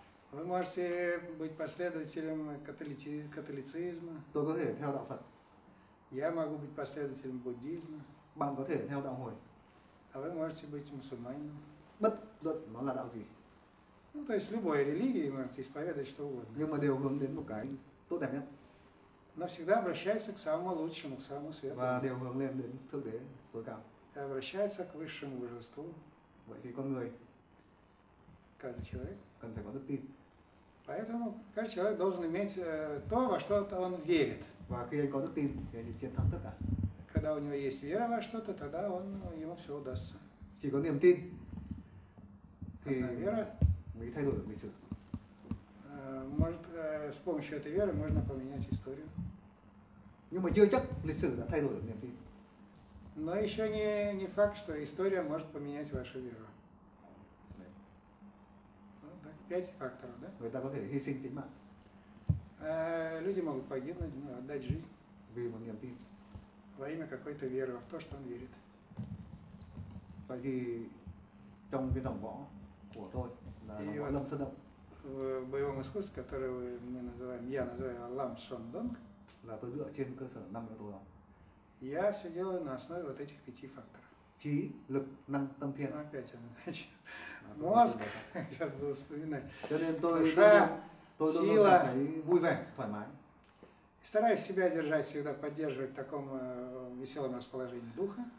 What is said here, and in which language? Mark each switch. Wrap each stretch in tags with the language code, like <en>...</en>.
<ru>Вы можете быть последователем католицизма.</ru> <vi>Tôi có thể theo đạo Phật.</vi> <ru>Я могу быть последователем буддизма.</ru> <vi>Bạn có thể theo đạo Hồi.</vi> <ru>А вы можете быть мусульманином.</ru> <vi>Bất luận nó là đạo gì.</vi> <ru>Ну, то есть любой религии можете исповедовать что угодно.</ru> <vi>Nhưng mà đều hướng đến một cái tốt đẹp nhất.</vi> <ru>Но всегда обращается к самому лучшему, к самому светлому.</ru> <vi>Và đều hướng lên đến thực tế tối cao.</vi> <ru>И обращается к высшему божеству.</ru> <vi>Vậy thì con người.</vi> <ru>Каждый человек.</ru> <vi>Cần phải có đức tin.</vi> <ru>Поэтому каждый человек должен иметь то, во что он верит.</ru> <vi>Và khi anh có đức tin, thì anh chiến thắng tất cả.</vi> <ru>Когда у него есть вера во что-то, тогда он ему все удастся.</ru> <vi>Chỉ có niềm tin. Thì</vi> <ru>вера.</ru> <vi>Mới thay đổi được lịch sử.</vi> <ru>Может, с помощью этой веры можно поменять историю.</ru> <vi>Nhưng mà chưa chắc lịch sử đã thay đổi được niềm tin.</vi> <ru>Но еще не факт, что история может поменять вашу веру. Пять факторов, да?</ru> <vi>Người ta có thể hy sinh tính mạng.</vi> <ru>Люди могут погибнуть, но отдать жизнь.</ru> <vi>Vì một niềm tin.</vi> <ru>Во имя какой-то веры, в то, что он верит.</ru> <vi>Vậy thì trong cái dòng võ của tôi là võ lâm sơn động.</vi> <ru>В боевом искусстве, которое мы называем, я называю Lam Son Dong,</ru> <vi>là tôi dựa trên cơ sở năm yếu tố đó.</vi> <ru>Я все делаю на основе вот этих пяти факторов.</ru> <vi>Chí, lực, năng, tâm, thiện.</vi> <ru>Ну, опять же, мозг, сейчас буду вспоминать.</ru> <vi>Cho nên tôi</vi> <ru>душа,</ru> <vi>tôi</vi> <ru>сила.</ru> <vi>Tôi luôn thấy vui vẻ, thoải mái.</vi> <ru>Стараюсь себя держать всегда, поддерживать в таком веселом расположении духа.</ru>